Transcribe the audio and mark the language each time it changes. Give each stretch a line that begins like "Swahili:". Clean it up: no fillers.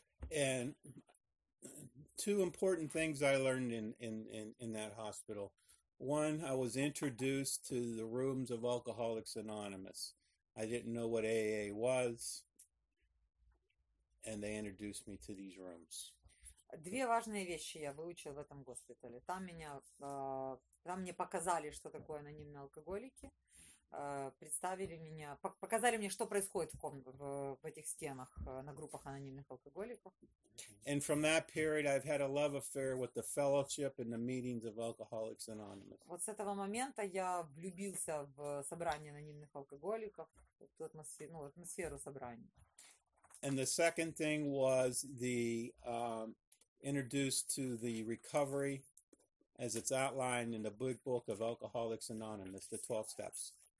English: And two important things I learned in that hospital. One, I was introduced to the rooms of Alcoholics Anonymous. I didn't know what AA was. And they introduced me to these rooms.
Russian: Две важные вещи я выучил в этом госпитале. Там меня, там мне показали, что такое анонимные алкоголики, представили меня, показали мне, что происходит в этих стенах, на группах анонимных алкоголиков.
English: And from that period, I've had a love affair with the fellowship and the meetings of Alcoholics Anonymous.
Russian: Вот с этого момента я влюбился в собрание анонимных алкоголиков, в ту атмосферу, ну, атмосферу собрания.
English: And the second thing was the introduced to the recovery as it's outlined in the big book of Alcoholics Anonymous, the 12 steps.